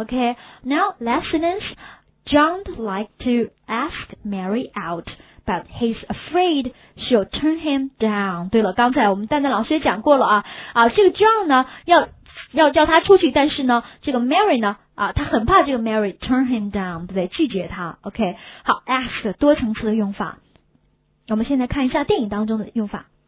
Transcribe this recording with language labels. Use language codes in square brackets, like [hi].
[en] OK, now last sentence. John liked to ask Mary out. But he's afraid she'll turn him down. [zh] 对了，刚才我们丹丹老师也讲过了啊，这个 John 呢，要叫他出去，但是呢，这个 Mary 呢，他很怕这个 Mary [en] turn him down, [zh] 对不对？拒绝他。 OK, 好 ，ask 多层次的用法。我们现在看一下电影当中的用法。